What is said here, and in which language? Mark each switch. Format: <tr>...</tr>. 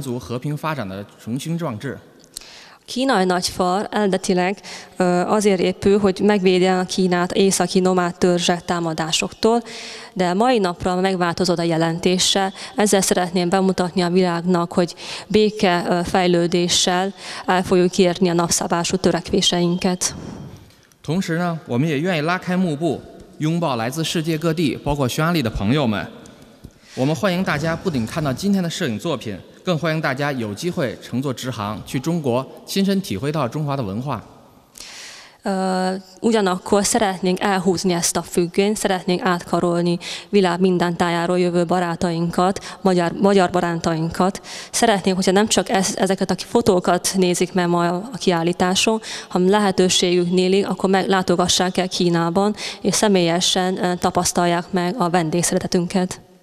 <zh>中国的万里长城以前是抵御外族侵略的防御工事，但今天已经变成了向世界展示中华民族和平发展的雄心壮志。</zh> <hu>Kínai nagyfal eredetileg azért épül, hogy megvédjen a Kínát északi nomád törzsek támadásoktól, de mai napra megváltozott a jelentése. Ezzel szeretném bemutatni a világnak, hogy béke fejlődéssel el fogjuk érni a napszabású törekvéseinket.</hu> <zh>同时呢，我们也愿意拉开幕布，拥抱来自世界各地，包括匈牙利的朋友们。我们欢迎大家不仅看到今天的摄影作品。更欢迎大家有机会乘坐直航去中国，亲身体会到中华的文化。</zh> <hu>Ugyanakkor szeretnénk elhúzni ezt a függönyt, szeretnénk átkarolni világ minden tájáról jövő barátainkat, magyar barátainkat. Szeretnénk, hogyha nem csak ezeket a fotókat nézik meg ma a kiállításon, hanem lehetőségük nyílik, akkor meglátogassák el Kínában, és személyesen tapasztalják meg a vendégszeretetünket.</hu>